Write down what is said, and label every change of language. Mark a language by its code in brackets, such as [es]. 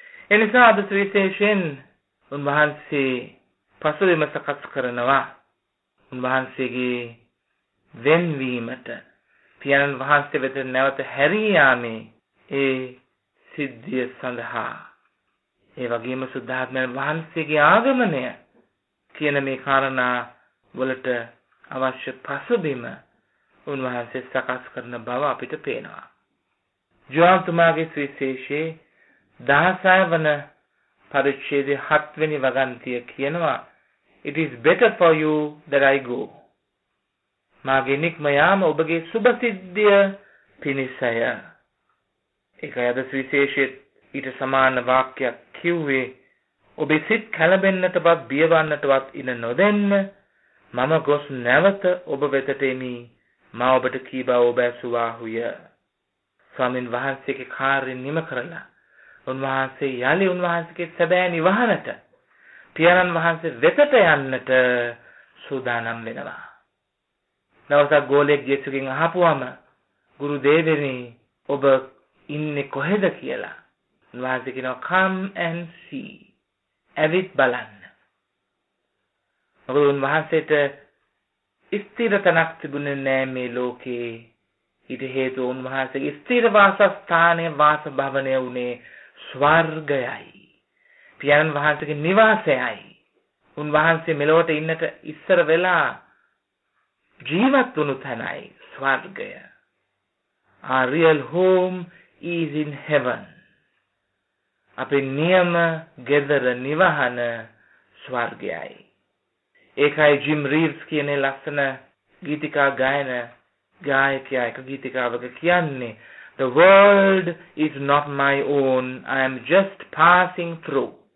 [si] එනිසා අද සුවිශේෂයෙන් උන්වහන්සේ පසුවිම සකස් කරනවා උන්වහන්සේගේ වෙන්වීමට පියනන් වහන්සේ වෙත නැවත හැරී යාමේ ඒ සිද්ධිය සඳහා, ඒ වගේම සුද්ධාත්මයන් වහන්සේගේ ආගමනය කියන මේ කාරණා වලට අවශ්‍ය පසුබිම උන්වහන්සේ සකස් කරන බව අපිට පේනවා. ජුවාන්තුමාගේ සුවිශේෂයේ 16 වන පරිච්ඡේදයේ 7 වෙනි වගන්තිය කියනවා, [en] "It is better for you that I go." [si] මාගේ නික්ම යාම ඔබගේ සුභ සිද්ධිය පිණිසය. ඒකයි අද සුවිශේෂයේ ඊට සමාන වාක්‍යයක් කිව්වේ, ඔබේ සිත් කැළඹෙන්නටවත් බියවන්නටවත් ඉන නොදෙන්න, මම ගොස් නැවත ඔබ වෙතට එමි. මා ඔබට කී බව ඔබ ඇසුවාහුය. ස්වාමින් වහන්සේගේ කාර්ය නිම කරලා උන්වහන්සේ යලි උන්වහන්සේගේ සැබෑ නිවහනට පියාණන් වහන්සේ වෙතට යන්නට සූදානම් වෙනවා. දවසක් ගෝලෙක් ජේසුගෙන් අහපුවාම, "ගුරු දේවෙනි, ඔබ ඉන්නේ කොහෙද?" කියලා. උන්වහන්සේ කියනවා, [en] "Come and see." [si] ඇවිත් බලන්න. මොකද උන්වහන්සේට ස්ථිර තැනක් තිබුණේ නෑ මේ ලෝකේ. ඊට හේතුව උන්වහන්සේගේ ස්ථිර වාසස්ථානය, වාසභවනය වුණේ ස්වර්ගයයි. පියාණන් වහන්සේගේ නිවාසයයි. උන්වහන්සේ මෙලොවට ඉන්නට ඉස්සර වෙලා ජීවත් වුණු තැනයි ස්වර්ගය. [en] Our real home is in heaven. [si] අපේ නියම ගෙදර නිවහන ස්වර්ගයයි. ඒකයි ජිම් රීව්ස් කියන ලස්සන ගීතිකා ගායන ගායකයා එක ගීතිකාවක කියන්නේ, [en] "The world is not my own. I am just passing through."